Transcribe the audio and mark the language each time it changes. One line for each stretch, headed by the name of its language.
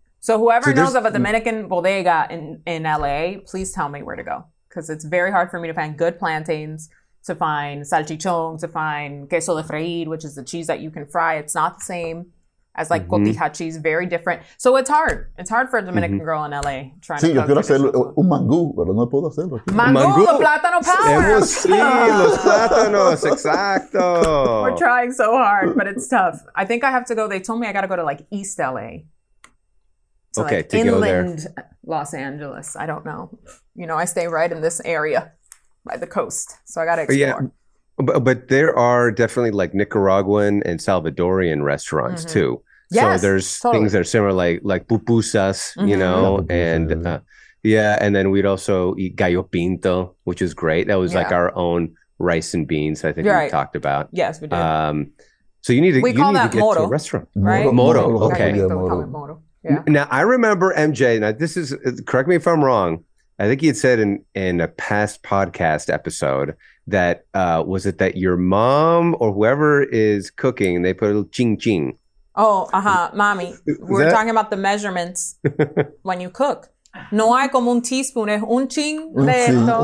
English: So whoever knows of a Dominican bodega in L.A., please tell me where to go, because it's very hard for me to find good plantains, to find salchichon, to find queso de freir, which is the cheese that you can fry. It's not the same. as like cotija cheese, very different. So it's hard. It's hard for a Dominican girl in LA trying
Spanish: to. Sí, yo quiero hacer un mangú, pero no puedo hacerlo. Mangú, los plátanos power. Sí, los plátanos, exacto.
English: We're trying so hard, but it's tough. I think I have to go. They told me I got to go to like East LA. To go there. Los Angeles. I don't know. You know, I stay right in this area by the coast. So I got to explore. Yeah. But there are definitely like Nicaraguan and Salvadorian restaurants too. Yes, so there's totally. Things that are similar, like pupusas, you know, and and then we'd also eat gallo pinto, which is great. That was like our own rice and beans, I think we talked about. Yes, we did. So you need to, get moro, to a restaurant. Right? Moro, okay.
Spanish: Gallo pinto, moro.
English: Now, I remember MJ, now this is, correct me if I'm wrong, I think he had said in a past podcast episode that was it that your mom or whoever is cooking, they put a little ching ching. Oh, uh-huh. Mommy, we're talking about the measurements when you cook.
Spanish: No hay como un teaspoon, es un ching de esto.